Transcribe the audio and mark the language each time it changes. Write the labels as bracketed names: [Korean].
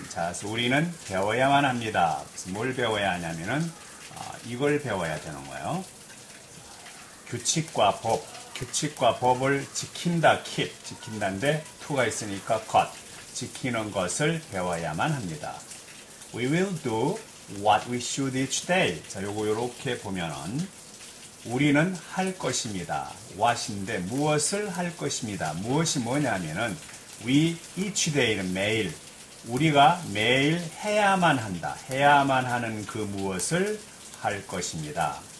[Korean] 자, 우리는 배워야만 합니다. 뭘 배워야 하냐면은 이걸 배워야 되는 거예요. 규칙과 법. 규칙과 법을 지킨다, keep. 지킨다인데 to가 있으니까 got. 지키는 것을 배워야만 합니다. [English] We will do what we should each day. [Korean] 자, 요거 요렇게 보면은 우리는 할 것입니다. what인데 무엇을 할 것입니다. 무엇이 뭐냐면은 [English] we each day [Korean] 는 매일. 우리가 매일 해야만 한다. 해야만 하는 그 무엇을 할 것입니다.